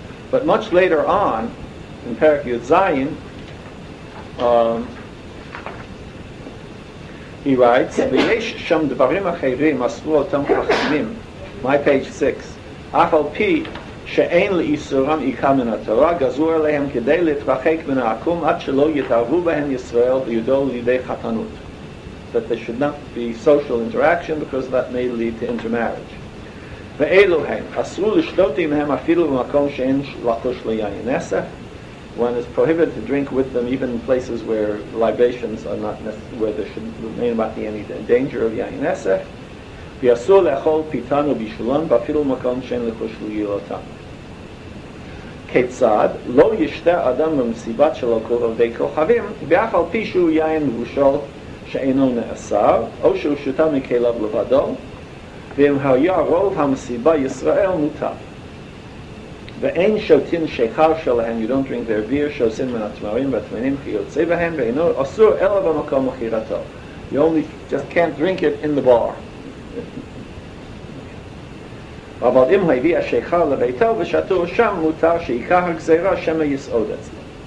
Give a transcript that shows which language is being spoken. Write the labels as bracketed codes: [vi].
[en] But much later on, in Perek Yud Zayin, he writes, [he] V'yesh sham dvarim acherim asru otam chachamim, [en] my page 6, [he] afal pi שאין לאיסורם איכה מן התורה, גזור אליהם כדי להתרחק מן העקום עד שלא יתערבו בהם ישראל ויודעו לידי חתנות. [en] That there should not be social interaction because that may lead to intermarriage. [he] ואלו הם, אסרו לשתות עמהם אפילו במקום שאין לחוש ליין נסף. [en] One is prohibited to drink with them even in places where libations are not necessary, where there should may not be any danger of יין נסף. [he] ויאסור לאכול פיתן ובישולון, ואפילו מקום שאין לחוש לגילותם. כיצד לא ישתה אדם במסיבת של עובדי כוכבים, ואף על פי שהוא יין מבושל שאינו נאסר, או שהוא שותה מכליו לבדו, ואם היה רוב המסיבה ישראל מותר. ואין שותין שיכר שלהם, [en] you don't drink their beer, [he] שעושים מן התמרים והתמינים כיוצא בהם, ואינו אסור אלא במקום מכירתו. [en] You only just can't drink it in the bar. [he] אבל אם הביא השיכר לביתו ושתו שם מותר שיקח הגזירה שמא יסעוד אצלו.